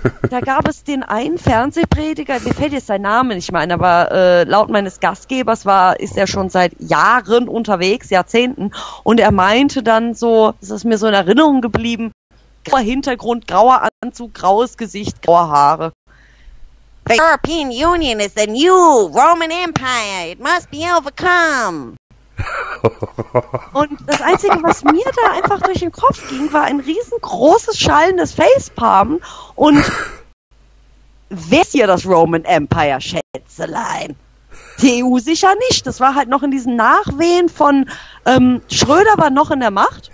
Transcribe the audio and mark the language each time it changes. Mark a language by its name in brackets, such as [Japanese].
[German] Da gab es den einen Fernsehprediger, mir fällt jetzt sein Name nicht mehr ein, aber laut meines Gastgebers ist er schon seit Jahren unterwegs, Jahrzehnten, und er meinte dann so, es ist mir so in Erinnerung geblieben, grauer Hintergrund, grauer Anzug, graues Gesicht, graue Haare. [English] The European Union is the new Roman Empire. It must be overcome. [German] Und das Einzige, was mir da einfach durch den Kopf ging, war ein riesengroßes, schallendes Facepalm. Und wer ist hier das Roman Empire, Schätzelein? Die EU sicher nicht. Das war halt noch in diesen Nachwehen von Schröder war noch in der Macht.